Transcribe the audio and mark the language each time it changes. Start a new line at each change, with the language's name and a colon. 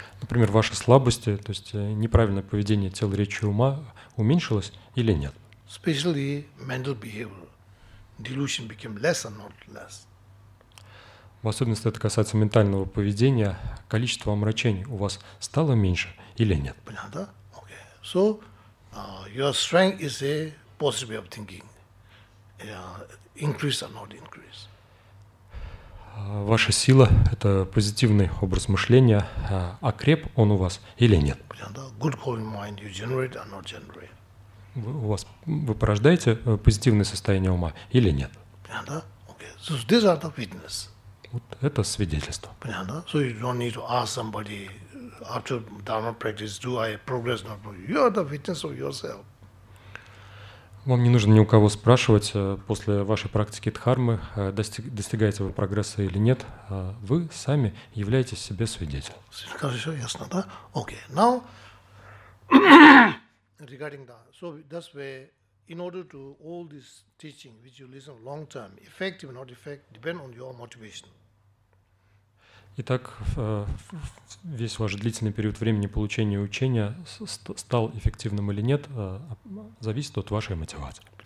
Russian: Например, ваши слабости, то есть неправильное поведение тела, речи и ума уменьшилось или нет?
English: Especially mental behavior. Delusion became less or not less.
Russian: В особенности это касается ментального поведения, количество омрачений у вас стало меньше или нет? Понятно, да? Okay.
English: So, your strength is a possibility of thinking. Increase or not increase?
Russian: Ваша сила – это позитивный образ мышления. Окреп он у вас или нет?
English: Good quality mind you generate or not generate?
Russian: Вы порождаете позитивное состояние ума или нет? Понятно?
English: Okay. So these are the witness.
Russian: Вот это свидетельство. Понятно?
English: So you don't need to ask somebody after Dharma practice, do I progress or not? You are the witness of yourself.
Russian: Вам не нужно ни у кого спрашивать после вашей практики дхармы, достигаете вы прогресса или нет, вы сами являетесь себе свидетелем. Хорошо, ясно, да? Okay.
English: Now regarding that, so that's where, in order to all this teaching which you listen long term, effective or not effective, depend on your motivation.
Russian: Итак, весь ваш длительный период времени получения учения стал эффективным или нет, зависит от вашей мотивации.